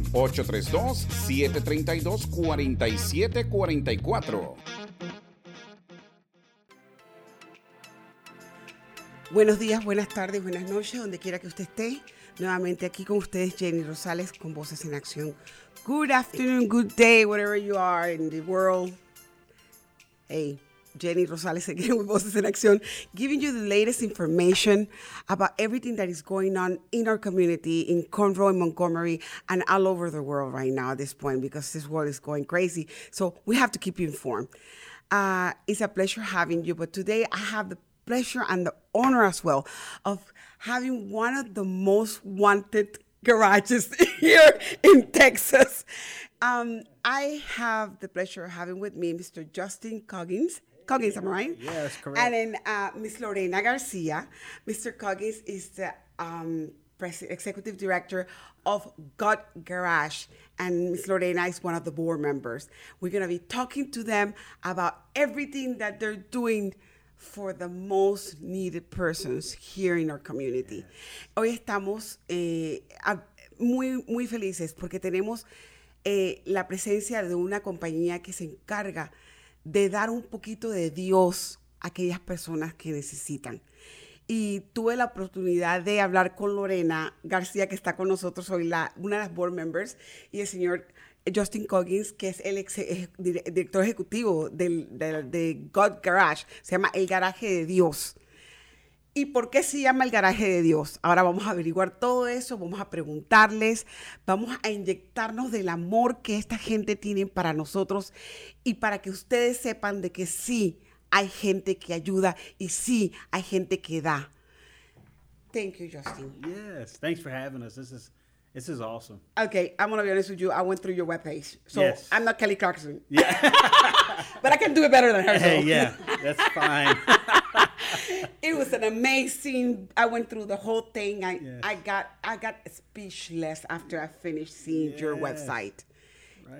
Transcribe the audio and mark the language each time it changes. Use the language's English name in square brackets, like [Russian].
[Spanish] 832-732-4744. Buenos días, buenas tardes, buenas noches, donde quiera que usted esté. Nuevamente aquí con ustedes, Jenny Rosales, con Voces en Acción. [English] Good afternoon, good day, whatever you are in the world. Hey, Jenny Rosales again with Voices in Acción, giving you the latest information about everything that is going on in our community, in Conroe and Montgomery, and all over the world right now at this point, because this world is going crazy. So we have to keep you informed. It's a pleasure having you, but today I have the pleasure and the honor as well of having one of the most wanted garages here in Texas. I have the pleasure of having with me Mr. Justin Coggins. Coggins, am I right? Yes, correct. And then Ms. Lorena Garcia. Mr. Coggins is the executive director of Got Garage. And Ms. Lorena is one of the board members. We're going to be talking to them about everything that they're doing for the most needed persons here in our community. Yes. [Spanish] Hoy estamos muy, muy felices porque tenemos la presencia de una compañía que se encarga de dar un poquito de Dios a aquellas personas que necesitan. Y tuve la oportunidad de hablar con Lorena García, que está con nosotros hoy, una de las board members, y el señor Justin Coggins, que es el director ejecutivo de God Garage. Se llama El Garaje de Dios. ¿Y por qué se llama El Garaje de Dios? Ahora vamos a averiguar todo eso, vamos a preguntarles, vamos a inyectarnos del amor que esta gente tiene para nosotros y para que ustedes sepan de que sí hay gente que ayuda y sí hay gente que da. [English] Thank you, Justin. Yes, thanks for having us. This is awesome. Okay, I'm going to be honest with you. I went through your webpage. So yes. I'm not Kelly Clarkson. Yeah. But I can do it better than her. Hey, yeah, that's fine. It was an amazing, I went through the whole thing. I got speechless after I finished seeing your website. Right.